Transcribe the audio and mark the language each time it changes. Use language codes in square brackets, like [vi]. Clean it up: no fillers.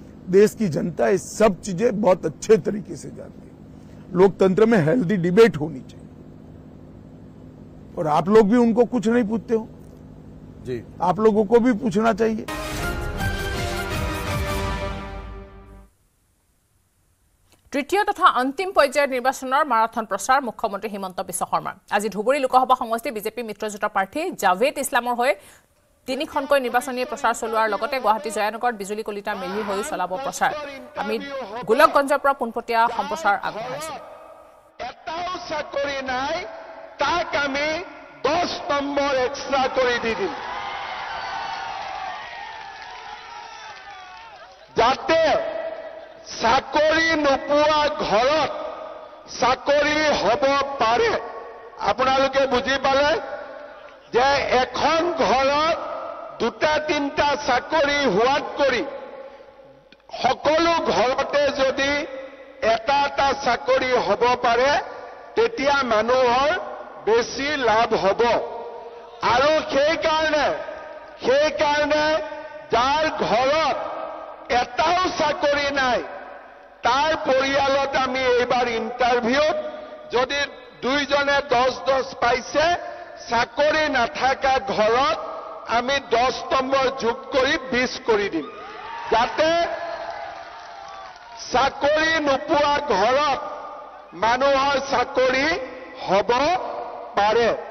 [hi] देश की जनता ये सब चीजें बहुत अच्छे तरीके से जानती है। लोकतंत्र में हेल्दी डिबेट होनी चाहिए और आप लोग भी उनको कुछ नहीं पूछते हो जी। आप लोगों को भी पूछना चाहिए। [as] তৃতীয় তথা অন্তিম পৰ্যায়ৰ নিৰ্বাচনৰ মাৰাথন প্ৰচাৰ মুখ্যমন্ত্ৰী হিমন্ত বিশ্ব শৰ্মাৰ। আজি ধুবুৰী লোকসভা সমষ্টিৰ বিজেপি মিত্ৰজোঁট প্ৰাৰ্থী জাভেদ ইছলামৰ হৈ 3খনকৈ নিৰ্বাচনী প্ৰচাৰ চলোৱাৰ লগতে গুৱাহাটী জয়ানগৰত বিজুলী কলিতা মেলিৰ হৈ চলাব প্ৰচাৰ। আমি গোলকগঞ্জৰ পৰা পোনপটীয়া সম্প্ৰচাৰ আগবঢ়াইছো। এটাও চাকৰি নাই, তাক আমি 10 নম্বৰ এক্সট্ৰা কৰি দি দিম, যাতে চাকৰি নোপোৱা ঘৰত চাকৰি হ'ব পাৰে। আপোনালোকে বুজি পালে যে এখন ঘৰত 2-3টা চাকৰি হোৱাত কৰি সকলো ঘৰতে যদি এটা এটা চাকৰি হ'ব পাৰে তেতিয়া মানুহৰ বেছি লাভ হ'ব। আৰু সেইকাৰণে যাৰ ঘৰত এটাও চাকৰি নাই তার পরিয়ালত আমি এইবার ইন্টারভিউত যদি দুইজনে 10-10 পাইছে, চাকরি না থাকা ঘরত আমি 10 নম্বর যোগ করে 20 করে দিম, যাতে চাকরি নোপোৱা ঘরত মানুহৰ চাকরি হব পাৰে।